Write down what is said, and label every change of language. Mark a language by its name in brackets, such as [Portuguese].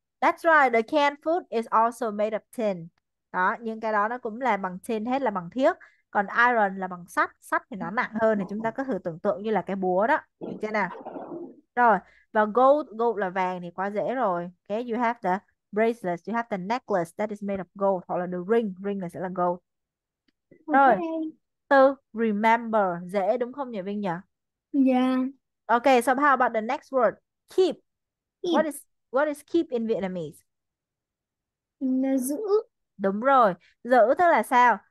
[English] That's right, the canned food is also made of tin. [Vietnamese] Đó, nhưng cái đó nó cũng là bằng tin hết, là bằng thiếc. Còn iron là bằng sắt. Sắt thì nó nặng hơn, thì chúng ta có thể tưởng tượng như là cái búa đó. Được chưa nào? Rồi, và gold, gold là vàng thì quá dễ rồi. [English] Okay, you have the bracelets, you have the necklace that is made of gold. [Vietnamese] Hoặc là the ring, ring là sẽ là gold. Rồi, từ remember, dễ đúng không nhỉ Vinh nhỉ? [English] Yeah. Ok, so how about the next word? Keep. Keep. What is keep in Vietnamese? [Vietnamese] Là giữ. Đúng rồi. Giữ tức là sao?